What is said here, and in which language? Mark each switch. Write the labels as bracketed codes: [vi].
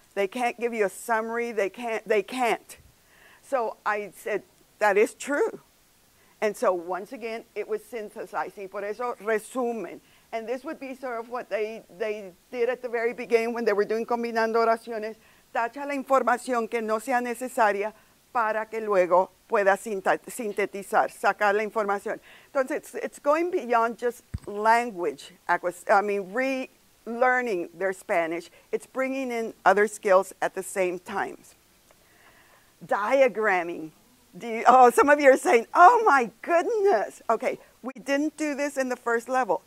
[en] They can't give you a summary, they can't. So I said, that is true. And so once again, it was synthesizing. [es] Por eso resumen. [en] And this would be sort of what they did at the very beginning when they were doing [es] combinando oraciones. Tacha la información que no sea necesaria para que luego pueda sintetizar, sacar la información. [en] Entonces, it's going beyond just language, relearning their Spanish. It's bringing in other skills at the same time. Diagramming. Some of you are saying, oh my goodness. Okay, we didn't do this in the first level.